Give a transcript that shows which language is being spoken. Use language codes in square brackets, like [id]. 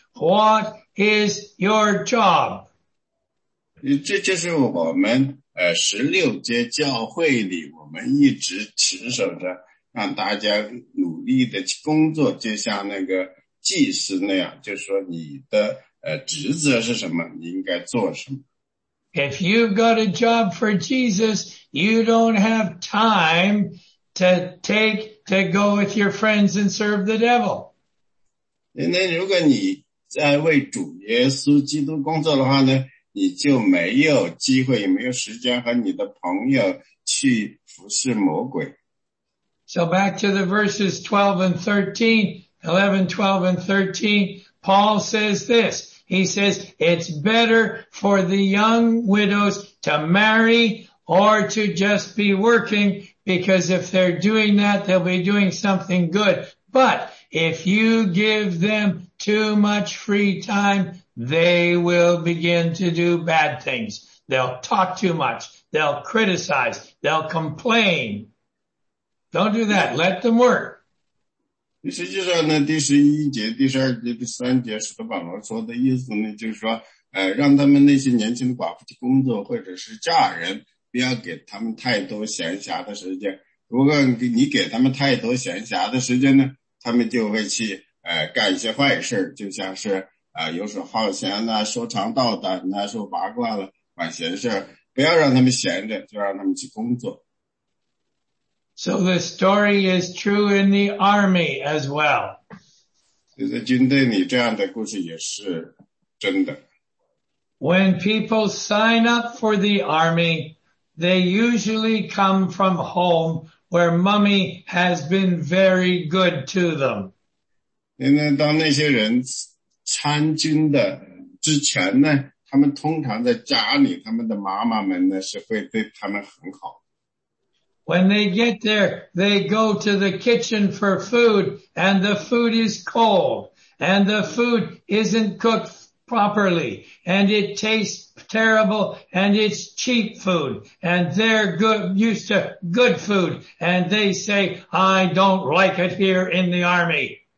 [en] What is your job? [zh] 这就是我们十六街教会里我们一直持守着让大家努力的工作，就像那个祭司那样，就说你的职责是什么，你应该做什么。 [en] If you've got a job for Jesus, you don't have time to take to go with your friends and serve the devil. [zh] 那如果你在为主耶稣基督工作的话呢，你就没有机会，也没有时间和你的朋友去服侍魔鬼。 [en] So back to the verses 11, 12, and 13, Paul says this. He says, it's better for the young widows to marry or to just be working, because if they're doing that, they'll be doing something good. But if you give them too much free time, they will begin to do bad things. They'll talk too much. They'll criticize. They'll complain. Don't do that. Let them work. [zh] 实际上呢，第十一节、第十二节、第三节，使徒保罗说的意思呢，就是说，让他们那些年轻的寡妇去工作，或者是嫁人，不要给他们太多闲暇的时间。如果你给他们太多闲暇的时间呢，他们就会去干一些坏事，就像是游手好闲呐、说长道短呐、说八卦了、管闲事。不要让他们闲着，就让他们去工作。 [en] So the story is true in the army as well. [zh] 就在军队里这样的故事也是真的。 [en] When people sign up for the army, they usually come from home where mommy has been very good to them. [zh] 因为当那些人参军的之前呢，他们通常在家里，他们的妈妈们呢是会对他们很好。 [en] When they get there, they go to the kitchen for food, and the food is cold, and the food isn't cooked properly, and it tastes terrible, and it's cheap food, and they're used to good food, and they say, I don't like it here in the army.